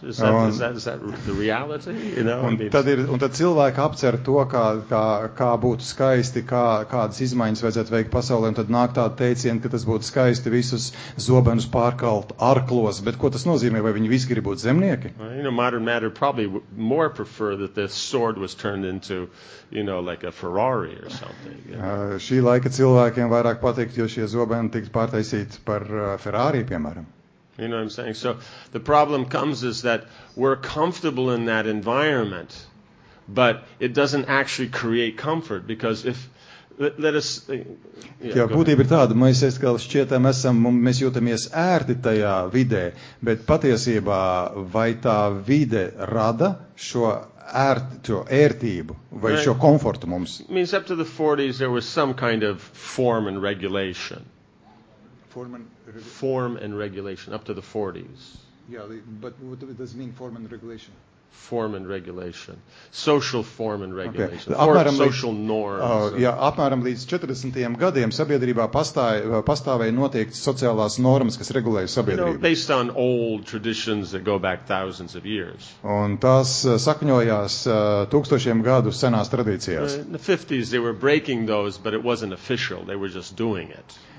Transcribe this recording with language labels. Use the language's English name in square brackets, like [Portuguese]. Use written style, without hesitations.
[English] Is that the reality? You know, [Latvian] un, tad ir, un tad cilvēki apcer to, kā būtu skaisti, kādas izmaiņas vajadzētu veikt pasaulē, un tad nāk tāda teiciena, ka tas būtu skaisti visus zobenus pārkalt arklos, bet ko tas nozīmē, vai viņi visi grib būt zemnieki? [English] You know, modern matter probably more prefer that this sword was turned into, you know, like a Ferrari or something. You know? [Latvian] Šī laika cilvēkiem vairāk patikt, jo šie zobeni tiks pārtaisīti par Ferrari, piemēram. [English] You know what I'm saying? So the problem comes is that we're comfortable in that environment, but it doesn't actually create comfort, because if [Latvian] Jā, būtība ir tāda, mēs atkal šķietam esam, mēs jūtamies ērti tajā vidē, bet patiesībā vai tā vide rada šo ērtību vai šo komfortu mums? [English] It means up to the 40s there was some kind of form and regulation. Form and regulation up to the 40s. Yeah, but what does it mean form and regulation? Form and regulation, social form and regulation, okay. Social norms. [Latvian] Jā, apmēram līdz 40. Gadiem sabiedrībā pastāvēja noteikti sociālās normas, kas regulēja sabiedrību. [English] You know, based on old traditions that go back thousands of years. [Latvian] Un tās sakņojās tūkstošiem gadu senās tradīcijās. [English] In the 50s they were breaking those, but it wasn't official, they were just doing it.